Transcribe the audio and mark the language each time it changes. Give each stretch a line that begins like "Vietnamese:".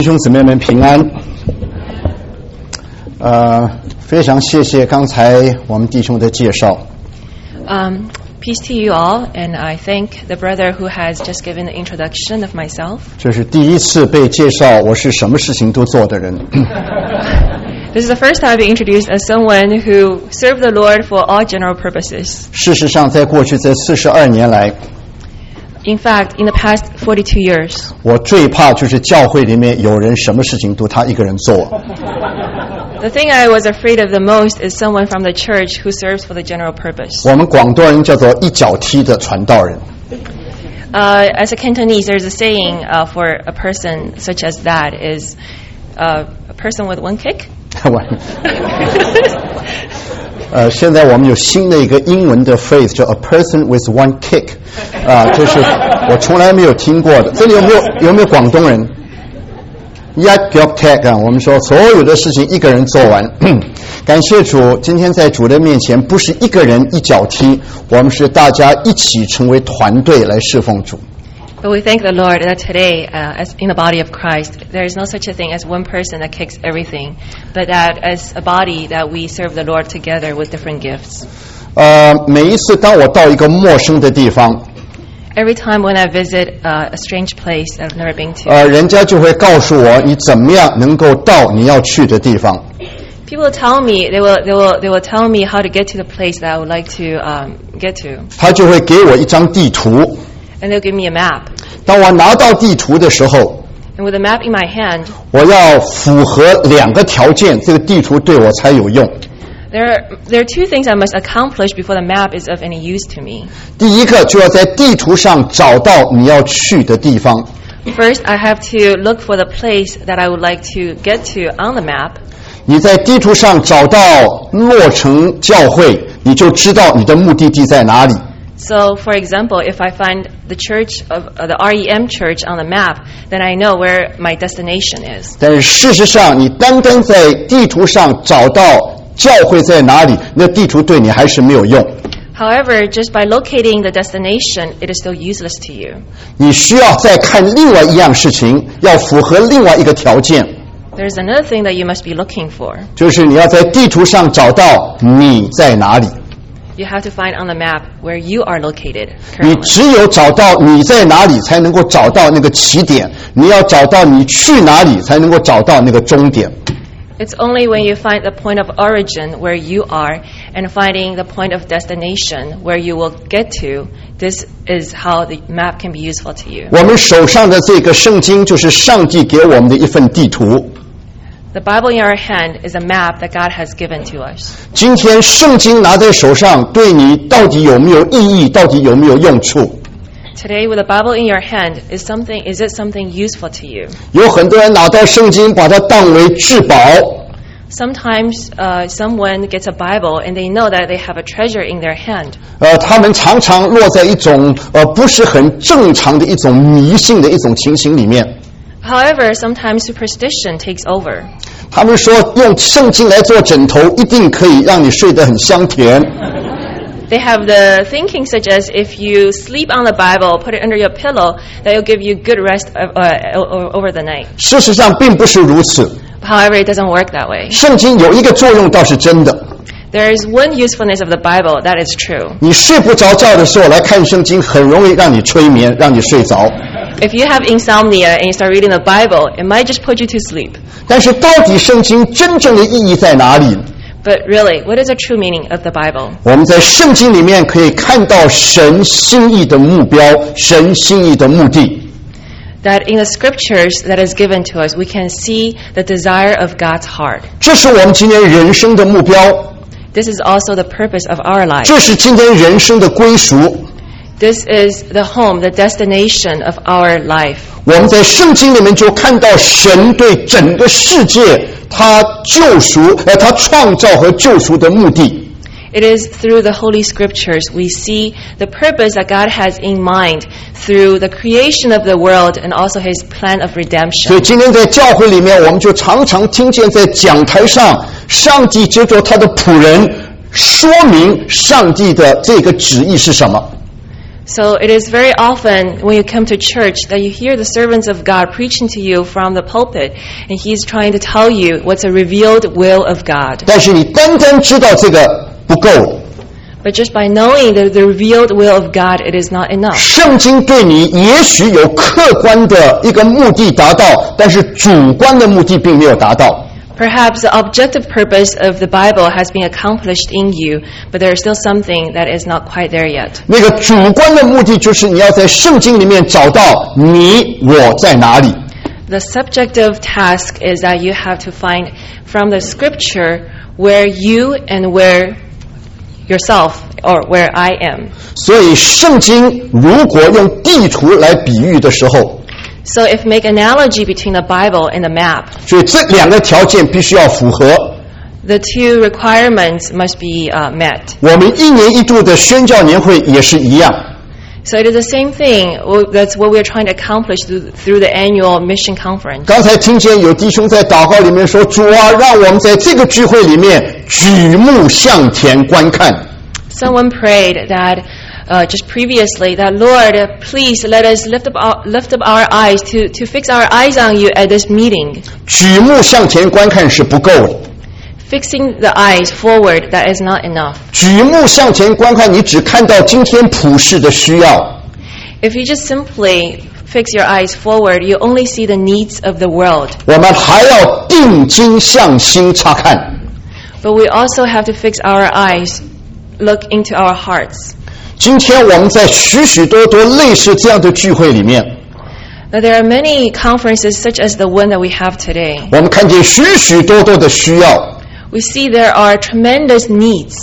Chinese: 兄姊妹们平安，非常谢谢刚才我们弟兄的介绍。
English: Peace to you all, and I thank the brother who has just given the introduction of myself.
Chinese: 这是第一次被介绍我是什么事情都做的人。
English: This is the first time I've been introduced as someone who served the Lord for all general purposes.
Chinese: 事实上，在过去这42年来。
English: In fact, in the past 42 years,
Chinese: 我最怕就是教会里面有人什么事情都他一个人做。
English: The thing I was afraid of the most is someone from the church who serves for the general purpose.
Chinese: 我们广东人叫做一脚踢的传道人。
English: As a Cantonese, there's a saying for a person such as that is a person with one kick.
Chinese: 现在我们有新的一个英文的 phrase 叫
English: a person with one kick
Chinese: 啊，就是我从来没有听过的。这里有没有广东人？一脚踢啊！我们说所有的事情一个人做完。感谢主，今天在主的面前不是一个人一脚踢，我们是大家一起成为团队来侍奉主。
English: But we thank the Lord that today, as in the body of Christ, there is no such a thing as one person that kicks everything, but that as a body that we serve the Lord together with different gifts.
Chinese: 每一次当我到一个陌生的地方
English: ，Every time when I visit a strange place that I've never been to,
Chinese: 人家就会告诉我你怎么样能够到你要去的地方。
English: People tell me they will tell me how to get to the place that I would like to get to.
Chinese: 他就会给我一张地图。
English: And they'll give me a map.
Chinese: 当我拿到地图的时候
English: And with a map in my hand,
Chinese: 我要符合两个条件，这个地图对我才有用。
English: There are two things I must accomplish before the map is of any use to me.
Chinese: 第一个就要在地图上找到你要去的地方。
English: First, I have to look for the place that I would like to get to on the map.
Chinese: 你在地图上找到洛城教会，你就知道你的目的地在哪里。
English: So, for example, if I find the church of the REM church on the map, then I know where my destination is.
Chinese: 但是事实上，你单单在地图上找到教会在哪里，那地图对你还是没有用。
English: However, just by locating the destination, it is still useless to you.
Chinese: 你需要再看另外一样事情，要符合另外一个条件。
English: There is another thing that you must be looking for.
Chinese: 就是你要在地图上找到你在哪里。
English: You have to find on the map where you are located.
Chinese: 你只有找到你在哪里，才能够找到那个起点。你要找到你去哪里，才能够找到那个终点。
English: It's only when you find the point of origin where you are, and finding the point of destination where you will get to. This is how the map can be useful to you.
Chinese: 我们手上的这个圣经就是上帝给我们的一份地图。
English: The Bible in our hand is a map that God has given to us.
Chinese: 今天圣经拿在手上，对你到底有没有意义？到底有没有用处
English: ？Today, with the Bible in your hand, is it something useful to you?
Chinese: 有很多人拿到圣经，把它当为至宝。
English: Sometimes, someone gets a Bible and they know that they have a treasure in their hand.
Chinese: 他们常常落在一种不是很正常的一种迷信的一种情形里面。
English: However, sometimes superstition takes over.
Chinese: 他们说用圣经来做枕头一定可以让你睡得很香甜。
English: They have the thinking such as if you sleep on the Bible, put it under your pillow, that will give you good rest over the night.
Chinese: 事实上并不是如此。
English: However, it doesn't work that way.
Chinese: 圣经有一个作用倒是真的。
English: There is one usefulness of the Bible that is true.
Chinese: 你睡不着觉的时候来看圣经，很容易让你催眠，让你睡着。
English: If you have insomnia and you start reading the Bible, it might just put you to sleep.
Chinese: 但是到底圣经真正的意义在哪里？
English: But really, what is the true meaning of the Bible?
Chinese: 我们在圣经里面可以看到神心意的目标，神心意的目的。
English: That in the scriptures that is given to us, we can see the desire of God's heart.
Chinese: 这是我们今天人生的目标。
English: This is also the purpose of our life.
Chinese: 这是今天人生的归属。
English: This is the home, the destination of our life.
Chinese: 我们在圣经里面就看到神对整个世界他救赎，他创造和救赎的目的。
English: It is through the Holy Scriptures we see the purpose that God has in mind through the creation of the world and also His plan of redemption.
Chinese: 所以今天在教会里面，我们就常常听见在讲台上，上帝借着他的仆人说明上帝的这个旨意是什么。
English: So it is very often when you come to church that you hear the servants of God preaching to you from the pulpit, and he's trying to tell you what's a revealed will of God.
Chinese: 但是你单单知道这个不够。
English: But just by knowing the revealed will of God, it is not enough.
Chinese: 圣经对你也许有客观的一个目的达到，但是主观的目的并没有达到。
English: Perhaps the objective purpose of the Bible has been accomplished in you, but there is still something that is not quite there yet.
Chinese: 那个主观的目的就是你要在圣经里面找到你我在哪里。
English: The subjective task is that you have to find from the scripture where you and where yourself or where I am.
Chinese: 所以圣经如果用地图来比喻的时候，
English: So if make analogy between the Bible and the map,
Chinese: 所以这两个条件必须要符合。
English: The two requirements must be met.
Chinese: 我们一年一度的宣教年会也是一样。
English: So it is the same thing. That's what we are trying to accomplish through the annual mission conference.
Chinese: 刚才听见有弟兄在祷告里面说，主啊，让我们在这个聚会里面举目向前观看。
English: Someone prayed that. Just previously, that Lord, please let us lift up our eyes to fix our eyes on you at this meeting.
Chinese: 举目向前观看是不够的。
English: Fixing the eyes forward, that is not enough.
Chinese: 举目向前观看，你只看到今天普世的需要。
English: If you just simply fix your eyes forward, you only see the needs of the world.
Chinese: 我们还要定睛向心查看。
English: But we also have to fix our eyes, look into our hearts.
Chinese: 今天我们在许许多多类似这样的聚会里面，
English: Now, there are many conferences such as the one that we have today.
Chinese: 我们看见许许多多的需要，
English: We see there are tremendous needs.